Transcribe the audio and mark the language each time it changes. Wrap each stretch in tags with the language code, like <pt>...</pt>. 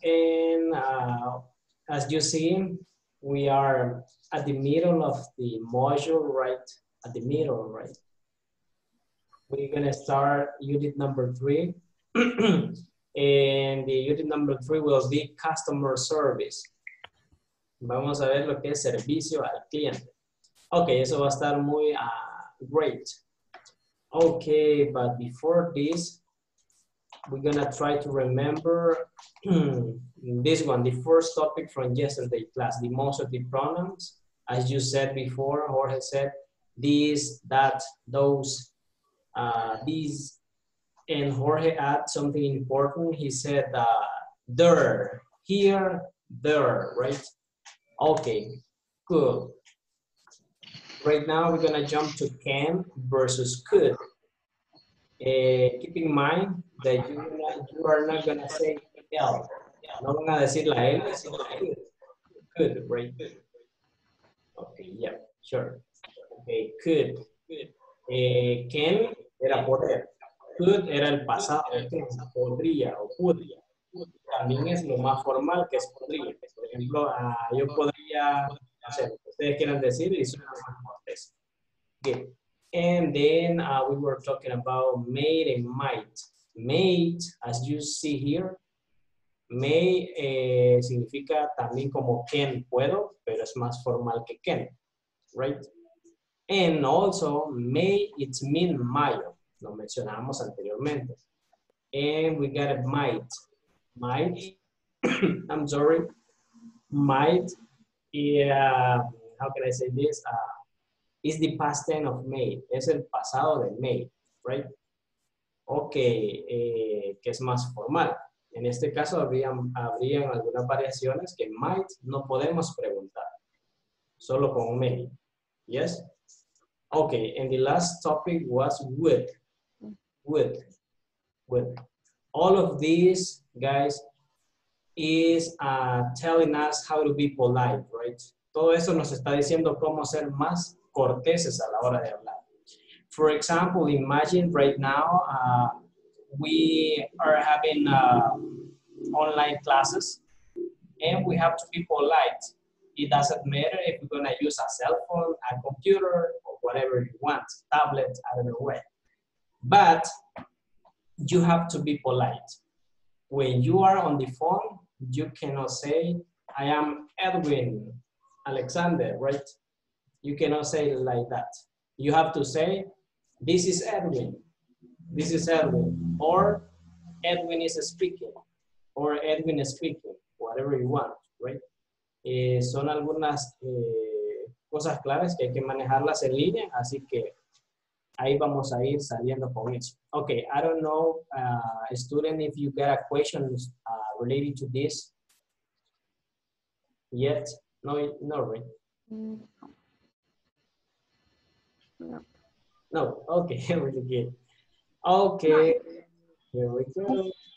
<en>And as you see, we are at the middle of the module, right? At the middle, right? We're gonna start unit number three. And the unit number three will be customer service.</en> <es>Vamos a ver lo que es servicio al cliente. Okay, eso va a estar muy great.</es> <en>Okay, but before this, we're gonna try to remember this one, the first topic from yesterday class, the most of the pronouns. As you said before, Jorge said, this, that, those, these. And Jorge added something important. He said, there, here, there, right? Okay, cool. Right now we're gonna jump to can versus could. Keep in mind that you are not gonna say L.</en> <es>No van a decir la L,</es> <en>sino la L. Good, right? Okay, yeah, sure. Okay, could. Can</en> <es>era poder. Could era el pasado. Podría o podría. También es lo más formal que es podría. Por ejemplo, yo podría hacer lo que ustedes quieran decir y suena más cortés.</es> <en>Good. And then we were talking about may and might. May, as you see here,</en> <es>may significa también como can, puedo, pero es más formal que can, right?</es> <en>And also, may, it means mayo,</en> <es>lo mencionamos anteriormente.</es> <en>And we got a might. Might, I'm sorry, might, how can I say this? Is the past tense of may,</en> <es>es el pasado de may,</es> <en>right?</en> <es>Okay, que es más formal. En este caso, habrían algunas variaciones que might no podemos preguntar, solo con may.</es> <en>Yes? Okay, and the last topic was would. Would. Would. All of these, guys, is telling us how to be polite, right?</en> <es>Todo eso nos está diciendo cómo ser más corteses a la hora de hablar.</es> <en>For example, imagine right now we are having online classes and we have to be polite. It doesn't matter if we're going to use a cell phone, a computer, or whatever you want, tablet, I don't know where. But you have to be polite. When you are on the phone, you cannot say, I am Edwin Alexander, right? You cannot say like that. You have to say, this is Edwin, this is Edwin, or Edwin is speaking, or Edwin is speaking, whatever you want, right?</en> <es>Son algunas cosas claves que hay que manejarlas en línea, así que ahí vamos a ir saliendo con eso.</es> <en>Okay, I don't know, student, if you got a question related to this yet. No, no, right? No. No, okay, really good. Okay, here we go.</en>